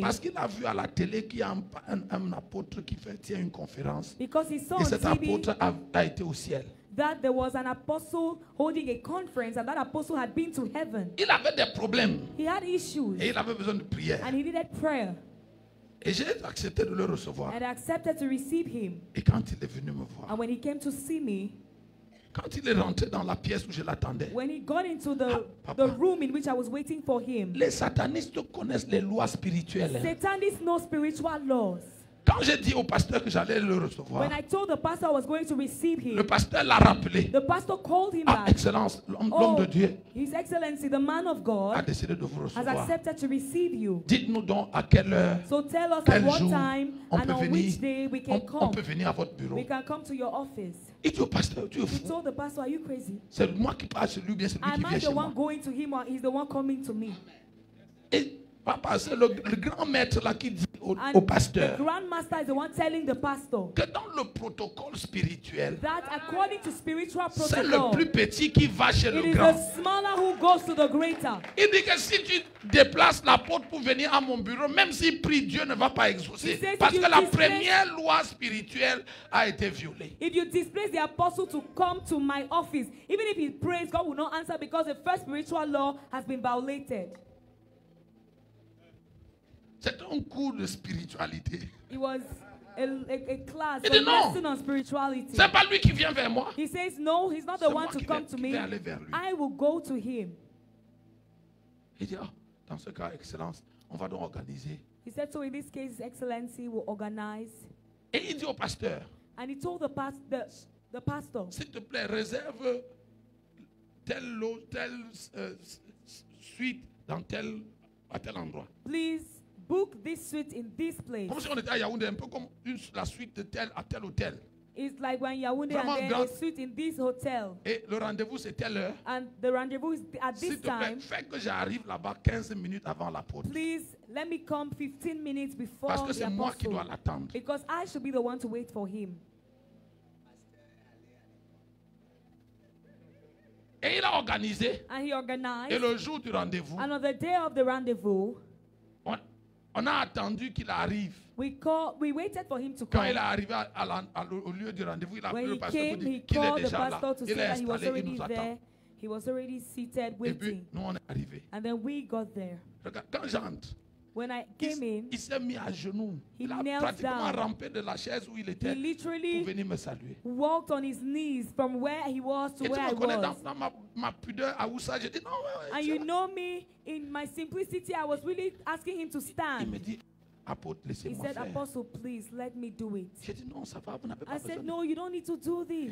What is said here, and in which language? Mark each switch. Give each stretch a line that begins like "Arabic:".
French: Parce qu'il a vu à la télé qu'il y a un apôtre qui tient une conférence.
English: Because he saw
French: et cet
English: on TV
French: apôtre a été au ciel.
English: That there was an apostle holding a conference and that apostle had been to heaven.
French: Il avait des problèmes.
English: He had issues.
French: Et il avait besoin de prière.
English: And he needed prayer.
French: Et j'ai accepté de le recevoir.
English: And I accepted to receive him.
French: Et quand il est venu me voir.
English: And when he came to see me.
French: Quand il est rentré dans la pièce où je l'attendais.
English: When he got into the room in which I was waiting for him.
French: Les satanistes connaissent les lois spirituelles.
English: Satanists know spiritual laws.
French: Quand j'ai dit au pasteur que j'allais le recevoir.
English: When I told the pastor I was going to receive him.
French: Le pasteur l'a rappelé.
English: The pastor called him
French: back. Ah, excellence, l'homme de Dieu.
English: His excellency, the man of God.
French: A décidé de vous recevoir.
English: Has accepted to receive you.
French: Dites-nous donc à quelle heure.
English: So tell us
French: quel
English: at what
French: jour,
English: time
French: on
English: and on
French: venir,
English: which day we can
French: on,
English: come.
French: On peut venir à votre bureau.
English: We can come to your office.
French: Il dit au pasteur, tu es fou.
English: He told the pastor, are you crazy?
French: C'est moi qui parle, c'est lui bien, c'est lui
English: am
French: qui vient chez moi.
English: Am I the one going to him or is the one coming to me?
French: Et papa, c'est le grand maître là qui dit au pasteur.
English: The grand master is the one telling the pastor.
French: Que dans le protocole spirituel.
English: That according to spiritual protocol.
French: C'est le plus petit qui va chez le grand.
English: It is the smaller who goes to the greater.
French: Il dit que si tu déplaces la porte pour venir à mon bureau, même si prie, Dieu ne va pas exaucer. Parce que la première loi spirituelle a été violée.
English: If you displace the apostle to come to my office, even if he prays, God will not answer because the first spiritual law has been violated.
French: C'est un cours de spiritualité.
English: It was a class, a lesson on spirituality.
French: C'est pas lui qui vient vers moi.
English: He says no, he's not
French: c'est
English: the one to come to me.
French: Vais aller vers lui.
English: I will go to him.
French: Il dit, oh, dans ce cas, excellence, on va donc organiser.
English: He said so. In this case, excellency will organize.
French: Et il dit au pasteur.
English: And he told the pastor.
French: S'il te plaît, réserve telle suite dans tel à tel endroit.
English: Please. Book this suite in this place.
French: Comme si on était à Yaoundé, un peu comme la suite de tel à tel hôtel.
English: It's like when Yaoundé and then
French: grand
English: a suite in this hotel.
French: Et le rendez-vous c'est telle heure.
English: And the rendezvous is at this
French: s'il te plaît,
English: time.
French: Fait que j'arrive là-bas 15 minutes avant la porte.
English: Please let me come 15 minutes before.
French: Parce que c'est
English: the
French: moi qui dois l'attendre.
English: Because I should be the one to wait for him.
French: Et il a organisé.
English: And he organized.
French: Et le jour du rendez-vous.
English: And on the day of the rendezvous.
French: On a attendu qu'il arrive.
English: We waited for him to come.
French: Quand il est arrivé au lieu du rendez-vous, il a appelé le pasteur pour dire qu'il est déjà là. Il est installé, il nous attend.
English: He was already seated waiting.
French: Et puis, nous on est arrivé.
English: And then we got there.
French: Regarde, quand j'entre,
English: when I came in,
French: il s'est mis à genoux.
English: He
French: il a pratiquement
English: down.
French: Rampé de la chaise où il était.
English: He literally
French: pour venir me saluer.
English: Walked on his knees from where he was to
French: et
English: where I was.
French: Et tu me connais dans ma pudeur à où ça, j'ai dit non.
English: And you know me in my simplicity, I was really asking him to stand.
French: Il me dit, apôtre, laissez-moi faire.
English: He said, apostle, please let me do it.
French: J'ai dit non, ça va, vous n'avez
English: I
French: pas
English: said,
French: besoin.
English: I said no, you don't need to do this.